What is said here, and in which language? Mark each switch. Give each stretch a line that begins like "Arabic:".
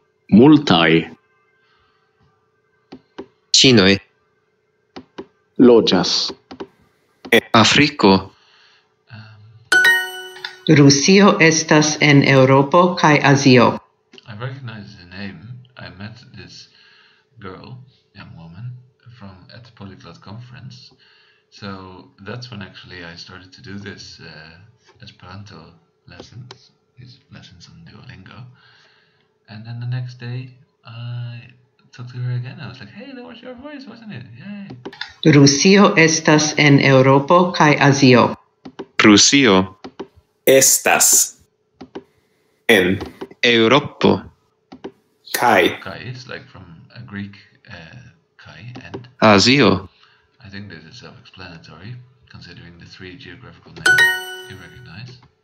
Esperanto: Multai. Chinoi. Loĝas. Afriko. Rusio estas en Europo kaj Azio.
English: I recognize the name. I met this girl, young woman, from at the polyglot conference. So that's when actually I started to do this Esperanto lessons, these lessons on Duolingo. And then the next day I talked to her again. I was like, hey, that was your voice, wasn't it? Yay.
Esperanto: Rusio estas en Europo kaj Azio. Rusio estas en Europo kaj.
English: Kaj is like from a Greek kaj and
Esperanto: Azio.
English: I think this is self-explanatory, considering the three geographical names you recognize.